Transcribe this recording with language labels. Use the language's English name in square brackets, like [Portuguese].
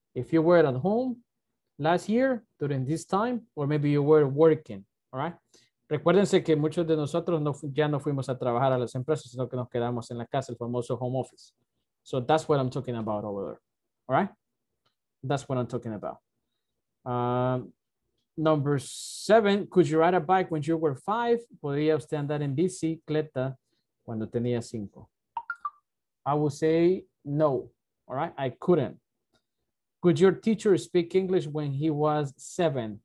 [English] If you were at home last year, during this time, or maybe you were working, all right? [Spanish] Recuérdense que muchos de nosotros ya no fuimos a trabajar a las empresas, sino que nos quedamos en la casa, el famoso home office. [English] So that's what I'm talking about over there, all right? That's what I'm talking about. Number 7, could you ride a bike when you were 5? [Spanish] ¿Podría usted andar en bicicleta cuando tenía 5? [English] I would say no, all right? I couldn't. Could your teacher speak English when he was 7?